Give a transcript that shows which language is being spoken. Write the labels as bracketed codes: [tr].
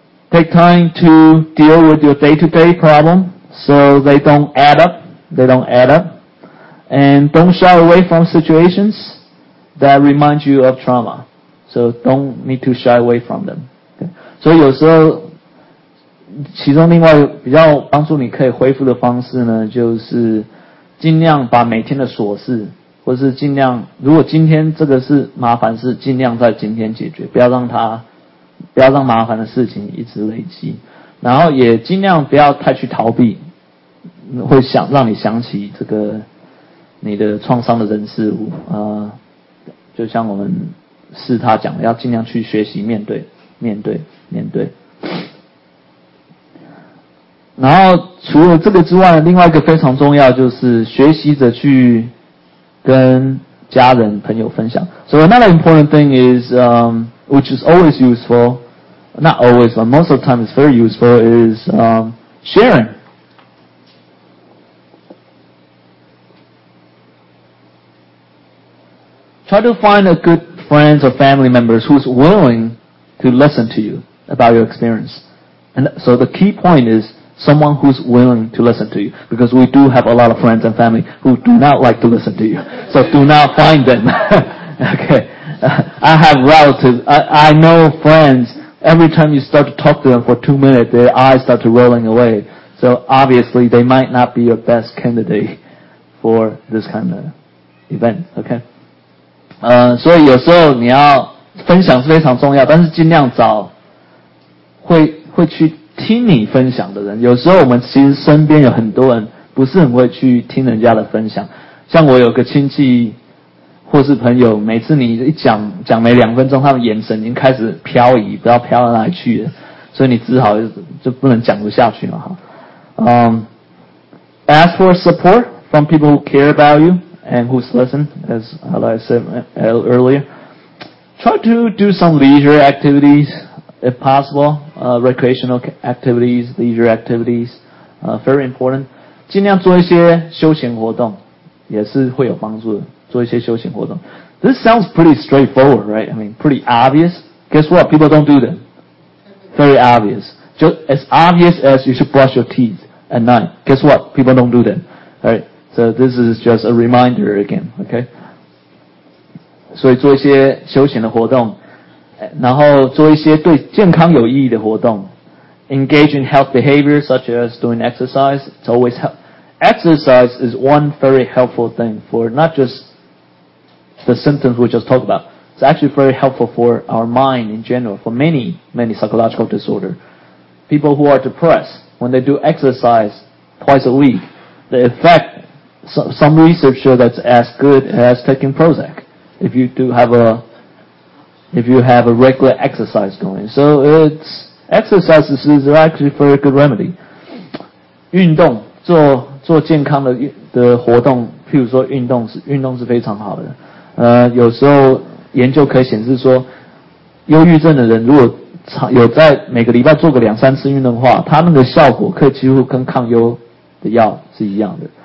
[en] Take time to deal with your day-to-day problem so they don't add up. They don't add up. And don't shy away from situations that remind you of trauma. So don't need to shy away from them. Okay. [zh] 所以有时候其中另外比较帮助你可以恢复的方式呢，就是尽量把每天的琐事，或是尽量，如果今天这个是麻烦事，尽量在今天解决，不要让麻烦的事情一直累积，然后也尽量不要太去逃避，会想让你想起这个你的创伤的人事物，就像我们是他讲的，要尽量去学习面对，面对，面对。然后除了这个之外，另外一个非常重要就是学习着去跟家人朋友分享。 [en] So another important thing is, which is always useful, not always, but most of the time it's very useful, is sharing. Try to find a good friend or family members who's willing to listen to you about your experience. And so the key point is someone who's willing to listen to you, because we do have a lot of friends and family who do not like to listen to you. So do not find them. Okay. I have relatives, I know friends, every time you start to talk to them for 2 minutes, their eyes start to rolling away. So obviously they might not be your best candidate for this kind of event, okay? [zh] 所以有时候你要分享是非常重要，但是尽量找会去听你分享的人。有时候我们其实身边有很多人不是很会去听人家的分享，像我有个亲戚或是朋友，每次你一讲没两分钟，他们眼神已经开始飘移，不知道飘到哪里去了，所以你只好 就不能讲不下去了。 [en] Ask for support from people who care about you and who's listening, as I said earlier. Try to do some leisure activities if possible, recreational activities, leisure activities, very important. [zh] 尽量做一些休闲活动也是会有帮助的。做一些休闲活动。 [en] This sounds pretty straightforward, right? I mean, pretty obvious. Guess what? People don't do that. Very obvious. Just as obvious as you should brush your teeth at night. Guess what? People don't do that. Alright. So this is just a reminder again, okay? [zh] 所以做一些休闲的活动。然后做一些对健康有意义的活动。 [en] Engage in health behavior such as doing exercise. It's always help. Exercise is one very helpful thing for not justthe symptoms we just talked about. It's actually very helpful for our mind in general, for many, many psychological disorders. People who are depressed, when they do exercise twice a week, the effect, some research show that's as good as taking Prozac, if you have a regular exercise going. So exercise is actually a very good remedy. [zh] 运动，做健康的活动，譬如说运动是非常好的。有时候研究可以显示说，忧郁症的人如果有在每个礼拜做个两三次运动的话，他那个效果可以几乎跟抗忧的药是一样的。